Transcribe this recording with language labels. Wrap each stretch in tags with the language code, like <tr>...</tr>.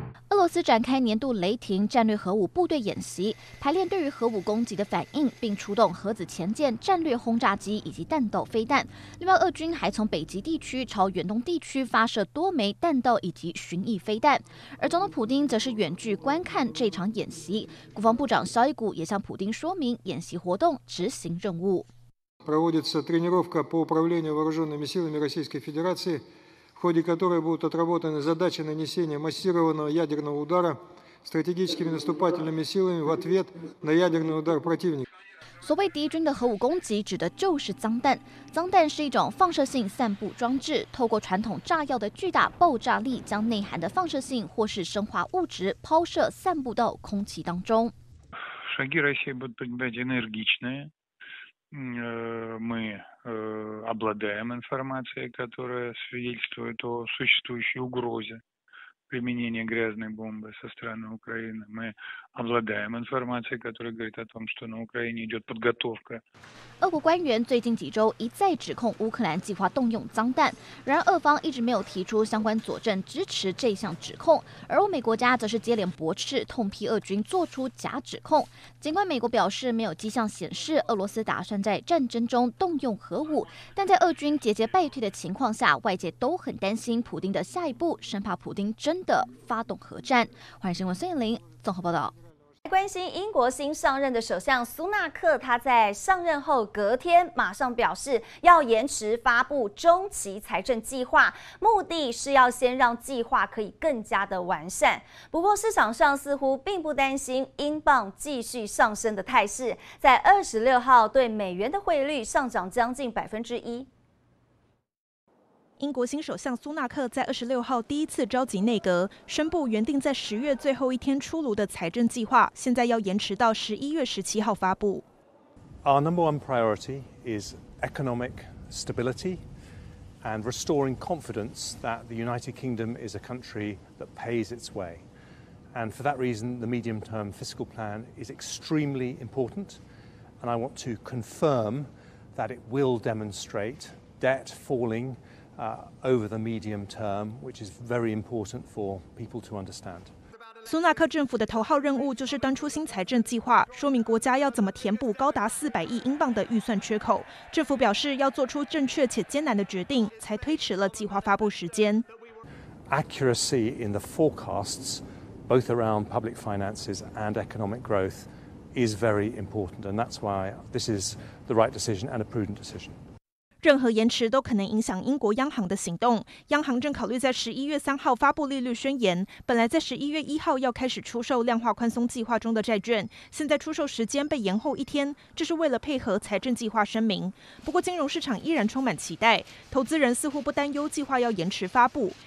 <zh>俄罗斯展开年度雷霆战略核武部队演习，排练对于核武攻击的反应，并出动核子潜舰、战略轰炸机以及弹道飞弹。另外，俄军还从北极地区朝远东地区发射多枚弹道以及巡弋飞弹。而总统普丁则是远距观看这场演习。国防部长肖伊古也向普丁说明演习活动执行任务。</zh> <ru>Проводится тренировка по управлению вооруженными силами Российской Федерации。 В ходе которой будут отработаны задачи нанесения массированного ядерного удара стратегическими наступательными силами в ответ на ядерный удар противника.</ru> <zh>所谓敌军的核武攻击，指的就是脏弹。脏弹是一种放射性散布装置，透过传统炸药的巨大爆炸力，将内含的放射性或是生化物质抛射散布到空气当中。</zh> <ru>Шаги России будут предпринимать энергичные. Мы. Обладаем информацией, которая свидетельствует о существующей угрозе применения грязной бомбы со стороны Украины. Мы обладаем информацией, которая говорит о том, что на Украине идет подготовка.</ru> <zh>俄国官员最近几周一再指控乌克兰计划动用脏弹，然而俄方一直没有提出相关佐证支持这项指控，而欧美国家则是接连驳斥，痛批俄军做出假指控。尽管美国表示没有迹象显示俄罗斯打算在战争中动用核武，但在俄军节节败退的情况下，外界都很担心普丁的下一步，生怕普丁真的发动核战。欢迎新闻孙艳玲综合报道。关心英国新上任的首相苏纳克，他在上任后隔天马上表示要延迟发布中期财政计划，目的是要先让计划可以更加的完善。不过市场上似乎并不担心英镑继续上升的态势，在26号对美元的汇率上涨将近1%。英国新首相苏纳克在26号第一次召集内阁，宣布原定在10月最后一天出炉的财政计划，现在要延迟到11月17号发布。</zh> <en>Our number one priority is economic stability and restoring confidence that the United Kingdom is a country that pays its way. And for that reason, the medium-term fiscal plan is extremely important. And I want to confirm that it will demonstrate debt falling. Over the medium term, which is very important for people to understand.</en> <zh>苏纳克政府的头号任务就是端出新财政计划，说明国家要怎么填补高达400亿英镑的预算缺口。政府表示要做出正确且艰难的决定，才推迟了计划发布时间。</zh> <en>Accuracy in the forecasts, both around public finances and economic growth, is very important, and that's why this is the right decision and a prudent decision.</en> <zh>任何延迟都可能影响英国央行的行动。央行正考虑在11月3号发布利率宣言，本来在11月1号要开始出售量化宽松计划中的债券，现在出售时间被延后一天，这是为了配合财政计划声明。不过金融市场依然充满期待，投资人似乎不担忧计划要延迟发布。</zh>